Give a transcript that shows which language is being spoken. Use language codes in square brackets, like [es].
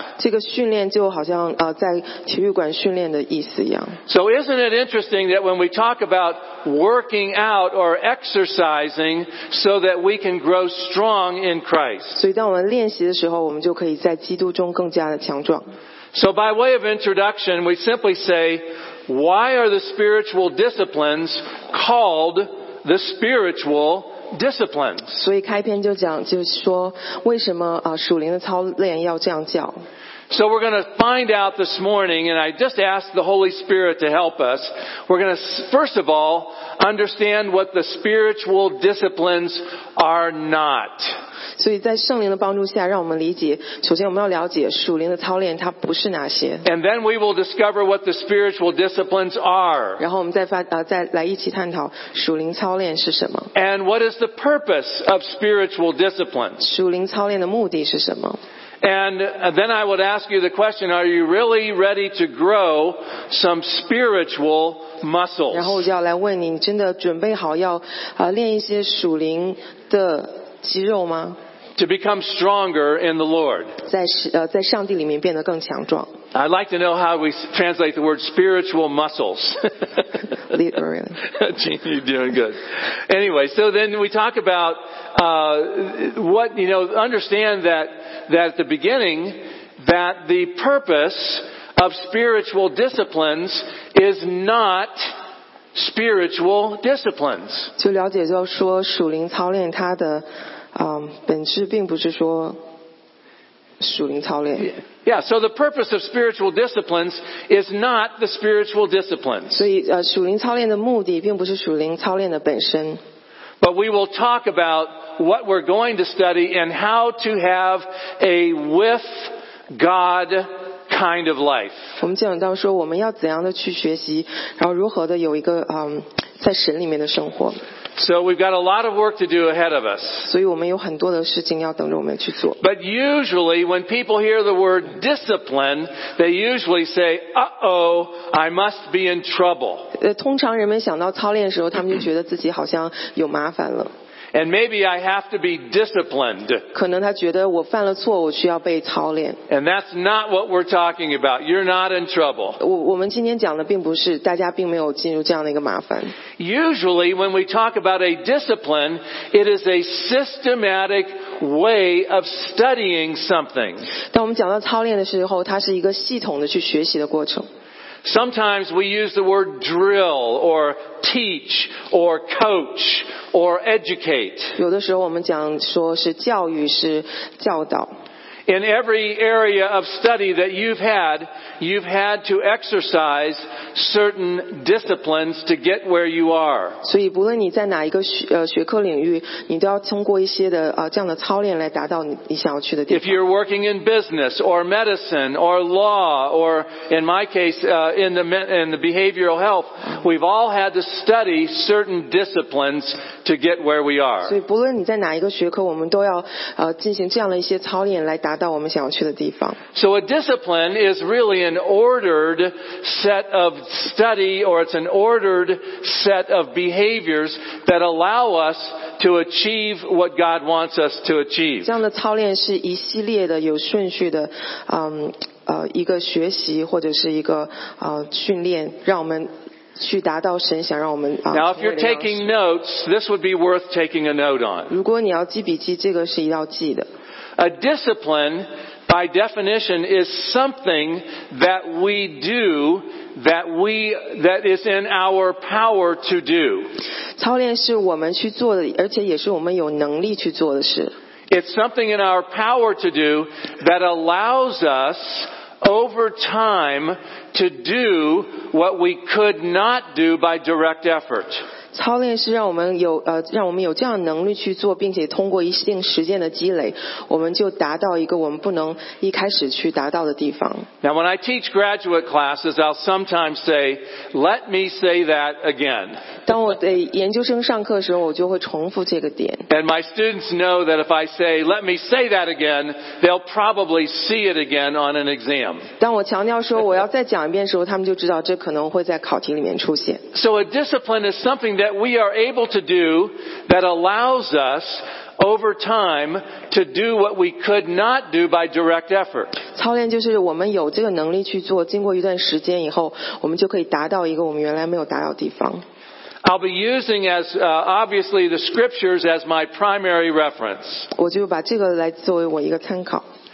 [zh] 这个训练就好像在体育馆训练的意思一样。 [en] So isn't it interesting that when we talk about working out or exercising so that we can grow strong in Christ. [zh] 所以当我们练习的时候，我们就可以在基督中更加的强壮。 [en] So by way of introduction, we simply say, why are the spiritual disciplines called the spiritual disciplines? [zh] 所以开篇就讲，就是说为什么属灵的操练要这样叫。 [en] So we're going to find out this morning, and I just ask the Holy Spirit to help us. We're going to, first of all, understand what the spiritual disciplines are not. [zh] 所以在圣灵的帮助下，让我们理解，首先我们要了解属灵的操练它不是哪些。 [en] And then we will discover what the spiritual disciplines are. [zh] 然后我们再来一起探讨属灵操练是什么。 [en] And what is the purpose of spiritual discipline? [zh] 属灵操练的目的是什么？ [en] And then I would ask you the question, are you really ready to grow some spiritual muscles? [zh] 然后我就要来问你，你真的准备好要练一些属灵的肌肉吗？ [en] To become stronger in the Lord. [zh] 在上帝里面变得更强壮。 [en] I'd like to know how we translate the word spiritual muscles. Literally. Gene, you're doing good. Anyway, so then we talk about what, you know, understand that at the beginning, that the purpose of spiritual disciplines is not spiritual disciplines. [zh] 就了解就说属灵操练它的本质并不是说属灵操练。 [en] Yeah, so the purpose of spiritual disciplines is not the spiritual disciplines. [zh] 所以属灵操练的目的并不是属灵操练的本身。 [en] But we will talk about what we're going to study and how to have a with God kind of life. [zh] 我们讲到说我们要怎样的去学习，然后如何的有一个在神里面的生活。 [en] So we've got a lot of work to do ahead of us. [zh] 所以我们有很多的事情要等着我们去做。 [en] But usually, when people hear the word discipline, they usually say, "Uh-oh, I must be in trouble." [zh] 通常人们想到操练的时候，他们就觉得自己好像有麻烦了。 [en] And maybe I have to be disciplined. [zh] 可能他觉得我犯了错，我需要被操练。 [en] And that's not what we're talking about. You're not in trouble. [zh] 我们今天讲的并不是，大家并没有进入这样的一个麻烦。 [en] Usually, when we talk about a discipline, it is a systematic way of studying something. [zh] 当我们讲到操练的时候，它是一个系统的去学习的过程。 [en] Sometimes we use the word drill or teach or coach or educate. [zh] 有的时候我们讲说是教育是教导。 [en] In every area of study that you've had to exercise certain disciplines to get where you are. [zh] 所以不论你在哪一个学科领域，你都要通过一些的这样的操练来达到你想要去的地方。 [en] If you're working in business or medicine or law or in my case in the behavioral health, we've all had to study certain disciplines to get where we are. [zh] 所以不论你在哪一个学科，我们都要进行这样的一些操练来达。 [en] So a discipline is really an ordered set of study, or it's an ordered set of behaviors that allow us to achieve what God wants us to achieve. [zh] 这样的操练是一系列的有顺序的，一个学习或者是一个训练，让我们去达到神想让我们 [en] Now, if you're taking notes, this would be worth taking a note on. [zh] 如果你要记笔记，这个是要记的。 [en] A discipline, by definition, is something that we do that is in our power to do. [zh] 操练是我们去做的，而且也是我们有能力去做的事。 [en] It's something in our power to do that allows us over time to do what we could not do by direct effort. [zh] 操练是让我们有让我们有这样的能力去做，并且通过一定时间的积累，我们就达到一个我们不能一开始去达到的地方。 [en] Now, when I teach graduate classes, I'll sometimes say, "Let me say that again." [zh] 当我在研究生上课的时候，我就会重复这个点。 [en] And my students know that if I say, "Let me say that again," they'll probably see it again on an exam. [zh] 当我强调说我要再讲一遍的时候，他们就知道这可能会在考题里面出现。 [en] So a discipline is something. That we are able to do that allows us over time to do what we could not do by direct effort. [zh] 操练就是我们有这个能力去做，经过一段时间以后，我们就可以达到一个我们原来没有达到的地方。 [en] I'll be using as obviously the scriptures as my primary reference. [zh] 我就把这个来作为我一个参考。